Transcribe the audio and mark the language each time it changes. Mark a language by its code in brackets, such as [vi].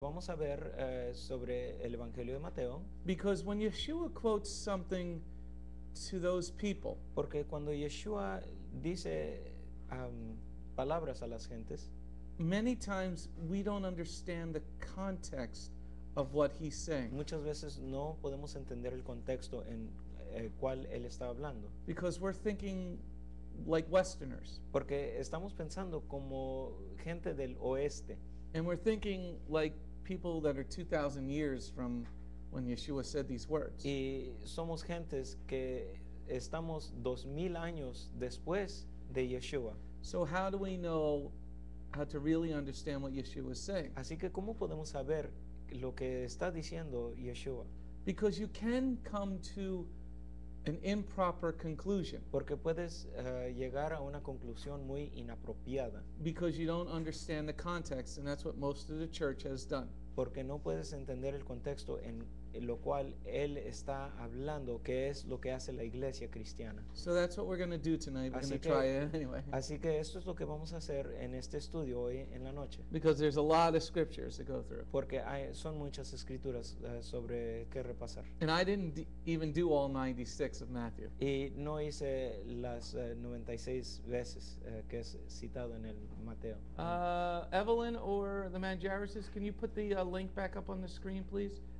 [es] Vamos a ver sobre el Evangelio de Mateo. [en] Because when Yeshua quotes something to those people, [es] porque cuando Yeshua dice palabras a las gentes, [en] many times we don't understand the context of what he's saying. [es] Muchas veces no podemos entender el contexto en cual él está hablando. [en] Because we're thinking like Westerners. [es] Porque estamos pensando como gente del oeste. [en] And we're thinking like people that are 2,000 years from when Yeshua said these words. [es] Y somos gentes que estamos 2,000 años después de Yeshua. [en] So how do we know how to really understand what Yeshua is saying? [es] Así que ¿cómo podemos saber lo que está diciendo Yeshua? [en] Because you can come to an improper conclusion. [es] Porque puedes llegar a una conclusión muy inapropiada. [en] Because you don't understand the context, and that's what most of the church has done. [es] Porque no puedes entender el contexto en lo cual él está hablando, que es lo que hace la iglesia cristiana. [en] So that's what we're going to do tonight. We're going to try it anyway. [es] Así que esto es lo que vamos a hacer en este estudio hoy en la noche. [en] Because there's a lot of scriptures to go through. [es] Porque son muchas escrituras sobre qué repasar. [en] And I didn't even do all 96 of Matthew. [es] Y no hice las 96 veces que es citado en el Mateo. [en] Evelyn or the man Jairus, can you put the link back up on the screen, please?